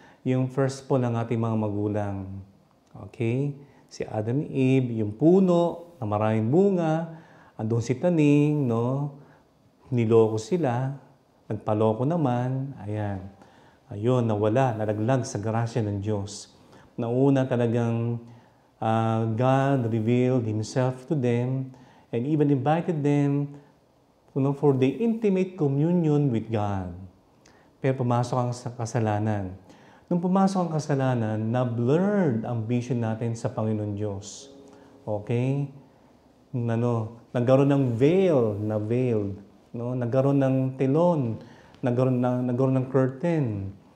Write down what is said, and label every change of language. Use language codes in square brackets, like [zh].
[tl] Yung first po ng ating mga magulang. Okay? Si Adam and Eve, yung puno na maraming bunga. Andun si Taning, no? Niloko sila. Nagpaloko naman. Ayan. Ayun, nawala. Nalaglag sa grasya ng Diyos. [en] Nauna talagang God revealed Himself to them and even invited them, you know, for the intimate communion with God. [tl] Pero pumasok ang kasalanan. Nung pumasok ang kasalanan, na-blurred ang vision natin sa Panginoon Diyos. Okay? Ano, nagkaroon ng veil, na veiled, no? Nagkaroon ng telon, nagkaroon ng curtain.